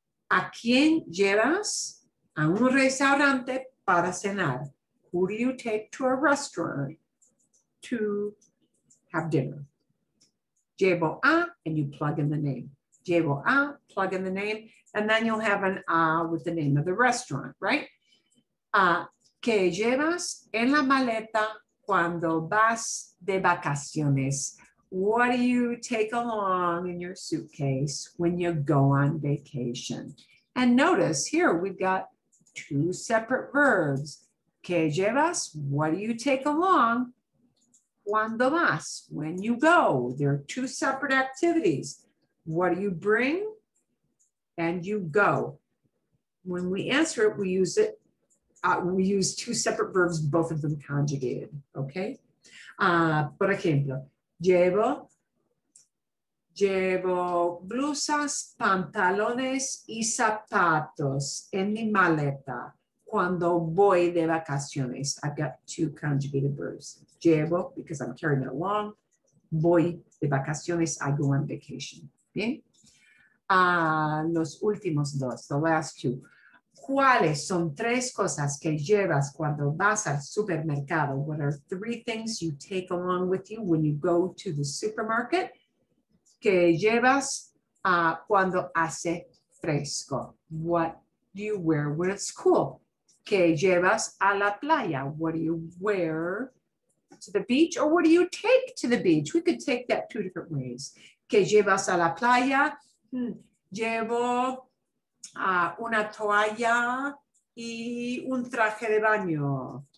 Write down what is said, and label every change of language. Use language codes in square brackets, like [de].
[es] ¿A quién llevas a un restaurante para cenar? [en] Who do you take to a restaurant to have dinner? [es] Llevo a, [en] and you plug in the name. Llevo a, plug in the name, and then you'll have an a with the name of the restaurant, right? [es] ¿Qué llevas en la maleta cuando vas de vacaciones? [en] What do you take along in your suitcase when you go on vacation? And notice here, we've got two separate verbs. [es] ¿Qué llevas? [en] What do you take along? [es] ¿Cuando vas? [en] When you go. There are two separate activities. What do you bring? And you go. When we answer it, we use it. We use two separate verbs, both of them conjugated. Okay. [es] Por ejemplo, llevo blusas, pantalones y zapatos en mi maleta cuando voy de vacaciones. [en] I've got two conjugated verbs. [es] Llevo, [en] because I'm carrying it along. [es] Voy de vacaciones, [en] I go on vacation. [es] Bien. Los últimos dos, [en] the last two. [es] ¿Cuáles son tres cosas que llevas cuando vas al supermercado? [en] What are three things you take along with you when you go to the supermarket? [es] ¿Qué llevas cuando hace fresco? [en] What do you wear when it's cool? [es] ¿Qué llevas a la playa? [en] What do you wear to the beach, or what do you take to the beach? We could take that two different ways. [es] ¿Qué llevas a la playa? Llevo una toalla y un traje de baño.